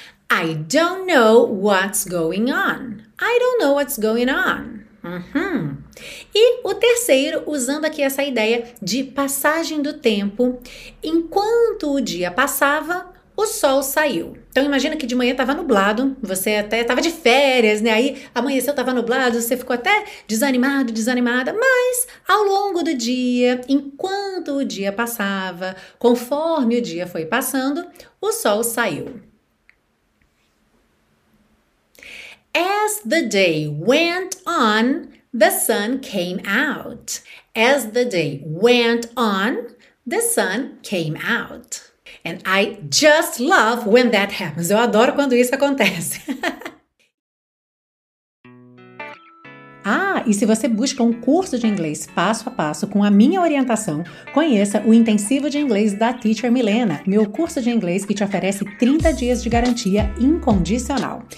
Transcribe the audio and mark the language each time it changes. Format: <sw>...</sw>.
<en>I don't know what's going on. I don't know what's going on. Uhum.</en> <pt>E o terceiro, usando aqui essa ideia de passagem do tempo. Enquanto o dia passava, o sol saiu. Então imagina que de manhã estava nublado, você até estava de férias, né? Aí amanheceu, estava nublado, você ficou até desanimado, desanimada. Mas ao longo do dia, enquanto o dia passava, conforme o dia foi passando, o sol saiu.</pt> <en>As the day went on, the sun came out. As the day went on, the sun came out. And I just love when that happens.</en> <pt>Eu adoro quando isso acontece. Ah, e se você busca um curso de inglês passo a passo com a minha orientação, conheça o Intensivo de Inglês da Teacher Milena, meu curso de inglês que te oferece 30 dias de garantia incondicional.</pt>